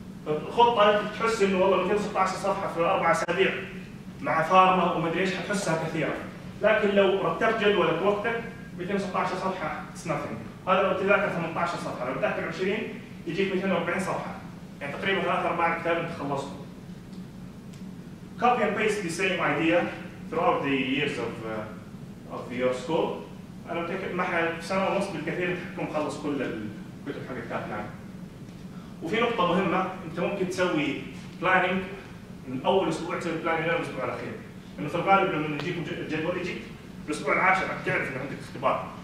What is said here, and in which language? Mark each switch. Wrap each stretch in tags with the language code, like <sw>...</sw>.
<ar>فالخطه تحس انه والله 216 صفحه في 4 اسابيع مع فارما وما ادري ايش حتحسها كثيره، لكن لو رتبت جدولك وقتك 216 صفحه اتس نثينج. هذا لو تذاكر 18 صفحه، لو تذاكر 20 يجيك 240 صفحه، يعني تقريبا 3-4 كتاب انت خلصته.</ar> <en>Copy and paste the same idea throughout the years of your school.</en> <ar>انا متاكد ما حد في سنه ونص بالكثير تكون مخلص كل الكتب حق كابلان. وفي نقطة مهمة، انت ممكن تسوي بلاننج من اول اسبوع، تسوي بلاننج من الاسبوع الاخير. لانه في الغالب لما يجيك الجدول يجيك الاسبوع العاشر تعرف انه عندك اختبار.</ar>